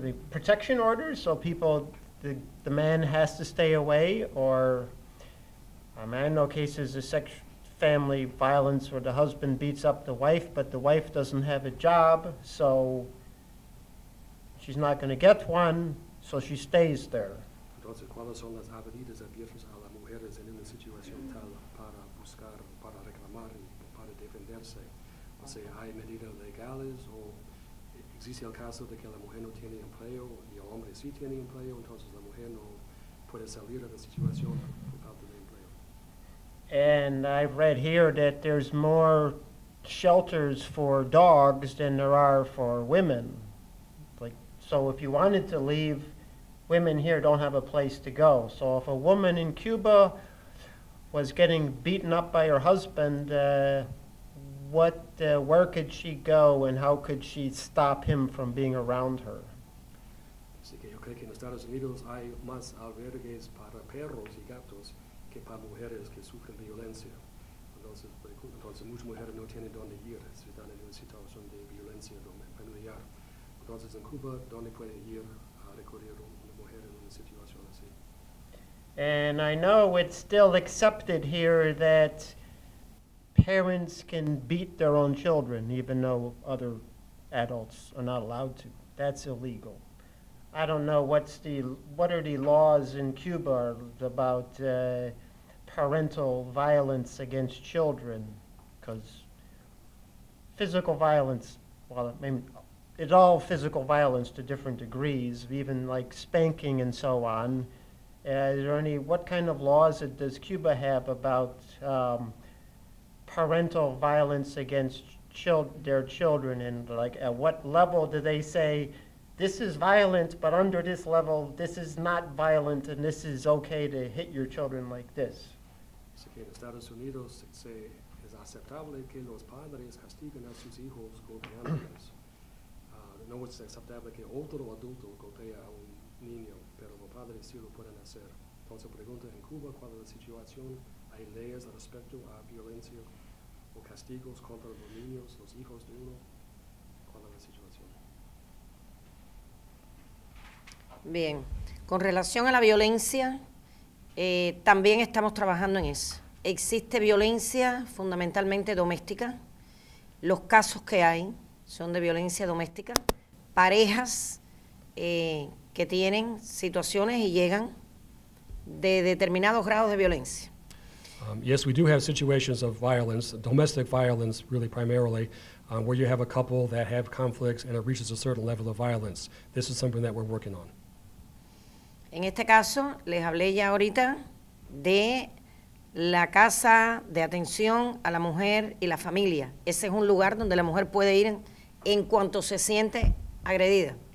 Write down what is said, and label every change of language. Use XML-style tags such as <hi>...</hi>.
<en>protection orders, so people, the man has to stay away, or I know cases of family violence where the husband beats up the wife, but the wife doesn't have a job, so she's not going to get one, so she stays there.</en> <es>Entonces, ¿cuáles son las avenidas abiertas a las mujeres en una situación tal para buscar, para reclamar, para defenderse? O sea, hay medidas legales o existe el caso de que la mujer no tiene empleo y el hombre sí tiene empleo, entonces la mujer no puede salir de la situación por falta de empleo.</es> <en>And I've read here that there's more shelters for dogs than there are for women. Like, so if you wanted to leave, women here don't have a place to go. So if a woman in Cuba was getting beaten up by her husband, where could she go and how could she stop him from being around her?</en> <es>Así que yo creo que en Estados Unidos hay más albergues para perros y gatos que para mujeres que sufren violencia. Entonces muchas mujeres no tienen donde ir, si están en una situación de violencia familiar. Entonces en Cuba, ¿dónde pueden ir a recurrir una mujer en una situación así?</es> <en>And I know it's still accepted here that parents can beat their own children, even though other adults are not allowed to. That's illegal. I don't know what are the laws in Cuba about parental violence against children, because physical violence, well, I mean, it's all physical violence to different degrees, even like spanking and so on. What kind of laws does Cuba have about parental violence against their children, and like at what level do they say this is violent, but under this level this is not violent and this is okay to hit your children like this?</en> <es>Es que en Estados Unidos se es aceptable que los padres castiguen a sus hijos golpeándolos. No es aceptable que otro adulto golpee a un niño, pero los padres sí lo pueden hacer. Entonces pregunta en Cuba cuál es la situación, hay leyes respecto a violencia o castigos contra los niños, los hijos de uno, ¿cuál es la situación? Bien, con relación a la violencia, también estamos trabajando en eso. Existe violencia fundamentalmente doméstica. Los casos que hay son de violencia doméstica. Parejas que tienen situaciones y llegan de determinados grados de violencia.</es> <en>Yes, we do have situations of violence, domestic violence really primarily, where you have a couple that have conflicts and it reaches a certain level of violence. This is something that we're working on.</en> <es>En este caso, les hablé ya ahorita de la casa de atención a la mujer y la familia. Ese es un lugar donde la mujer puede ir en cuanto se siente agredida.</es>